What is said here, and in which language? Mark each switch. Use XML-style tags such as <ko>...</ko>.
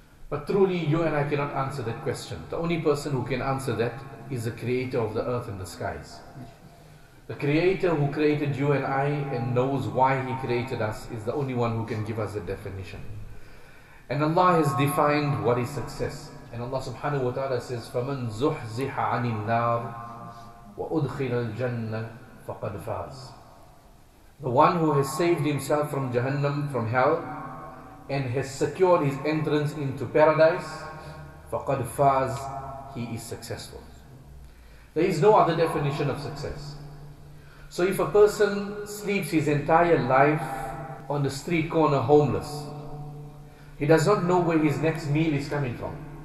<en>But truly, you and I cannot answer that question. The only person who can answer that is the creator of the earth and the skies. The creator who created you and I and knows why he created us is the only one who can give us a definition. And Allah has defined what is success. And Allah subhanahu wa ta'ala says,</en> <ar>فَمَنْ زُحْزِحَ عَنِ النَّارِ وَأُدْخِلَ الْجَنَّةِ فَقَدْ فَازِ.</ar> <en>The one who has saved himself from Jahannam, from hell, and has secured his entrance into paradise,</en> <ar>فَقَدْ فَازِ,</ar> <en>he is successful. There is no other definition of success. So if a person sleeps his entire life on the street corner homeless, he does not know where his next meal is coming from.</en>